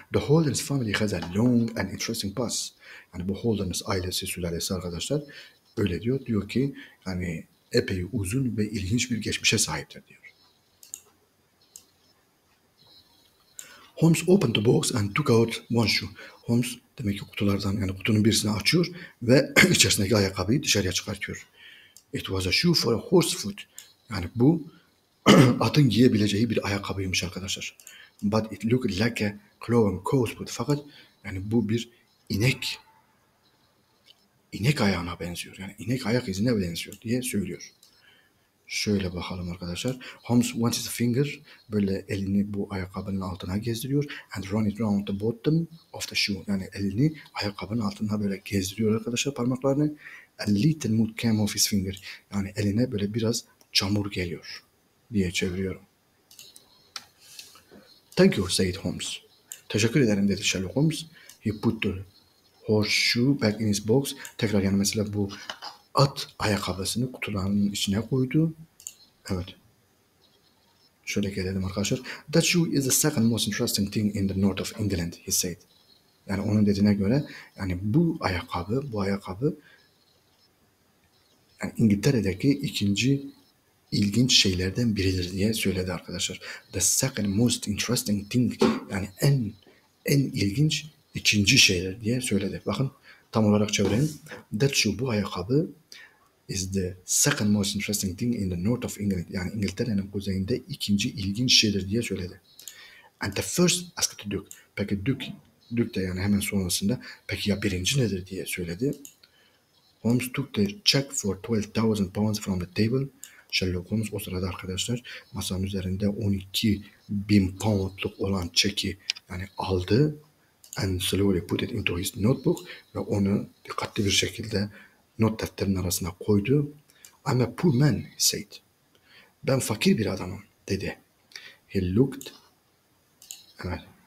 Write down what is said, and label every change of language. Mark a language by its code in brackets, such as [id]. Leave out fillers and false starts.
[en] The Holden's family has a long and interesting past. [tr] Yani bu Holden's ailesi, sülalesi arkadaşlar öyle diyor. Diyor ki yani epey uzun ve ilginç bir geçmişe sahiptir diyor. [en] Holmes opened the box and took out one shoe. [tr] Holmes demek ki kutulardan, yani kutunun birisini açıyor ve içerisindeki ayakkabıyı dışarıya çıkartıyor. [en] It was a shoe for a horse foot. [tr] Yani bu atın giyebileceği bir ayakkabıymış arkadaşlar. [en] But it looked like a cloven cow's foot. [tr] Fakat yani bu bir inek ayağına benziyor. Yani inek ayak izine benziyor diye söylüyor. Şöyle bakalım arkadaşlar. [en] Holmes wants his finger, [tr] böyle elini bu ayakkabının altına gezdiriyor. [en] And run it round the bottom of the shoe. [tr] Yani elini ayakkabının altına böyle gezdiriyor arkadaşlar, parmaklarını. [en] A little mud came off his finger. [tr] Yani eline böyle biraz çamur geliyor diye çeviriyorum. [en] Thank you, said Holmes. [tr] Teşekkür ederim, dedi Sherlock Holmes. [en] He put the horseshoe back in his box. [tr] Tekrar, yani mesela bu at ayakkabısını kutularının içine koydu. Evet. Şöyle gelelim arkadaşlar. [en] That shoe is the second most interesting thing in the north of England, he said. [tr] Yani onun dediğine göre, yani bu ayakkabı yani İngiltere'deki ikinci ilginç şeylerden biridir diye söyledi arkadaşlar. [en] The second most interesting thing, [tr] yani en ilginç ikinci şeyler diye söyledi. Bakın tam olarak çevirelim. [en] That shoe, [tr] bu ayakkabı, [en] is the second most interesting thing in the north of England. [tr] Yani İngiltere'nin kuzeyinde ikinci ilginç şeydir diye söyledi. [en] And the first, asked the Duke. [tr] Peki Duke de yani hemen sonrasında, peki ya birinci nedir diye söyledi. [en] Holmes took the check for 12,000 pounds from the table. [tr] Sherlock Holmes o sırada arkadaşlar masanın üzerinde 12 bin poundluk olan çeki yani aldı. [en] And slowly put it into his notebook. [tr] Ve onu dikkatli bir şekilde not defterinin arasına koydu. [en] I'm a poor man, he said. [tr] Ben fakir bir adamım, dedi. [en] He looked. Evet.